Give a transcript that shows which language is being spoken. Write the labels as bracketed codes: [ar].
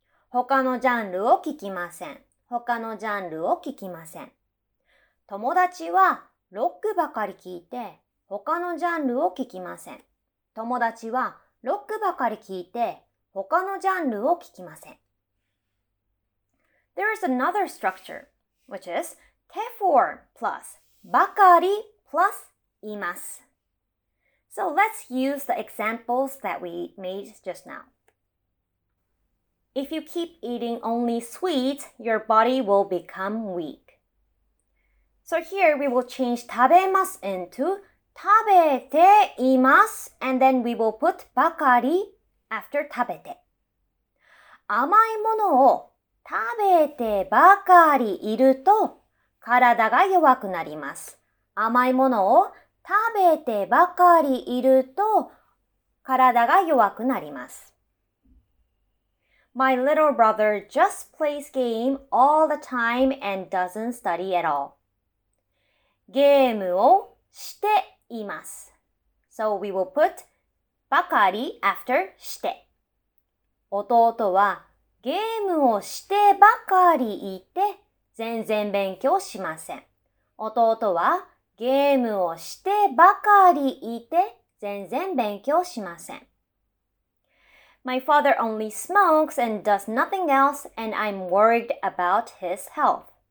[ja] 他のジャンルを聞きません。他のジャンルを聞きません。友達はロックばかり聞いて、他のジャンルを聞きません。友達はロックばかり聞いて、他のジャンルを聞きません。 [en] There is another structure, which is therefore plus bakari plus imasu. So let's use the examples that we made just now. If you keep eating only sweets, your body will become weak. So here we will change 食べます into 食べています and then we will put ばかり after 食べて。 [ja] 甘いものを食べてばかりいると体が弱くなります。甘いものを食べてばかりいると体が弱くなります。 [en] My little brother just plays game all the time and doesn't study at all. [ja] ゲームをしています。 [en] So we will put ばかり after して。 [ja] 弟はゲームをしてばかりいて全然勉強しません。弟はゲームをしてばかりいて全然勉強しません。 [en] My father only smokes and does nothing else and I'm worried about his health.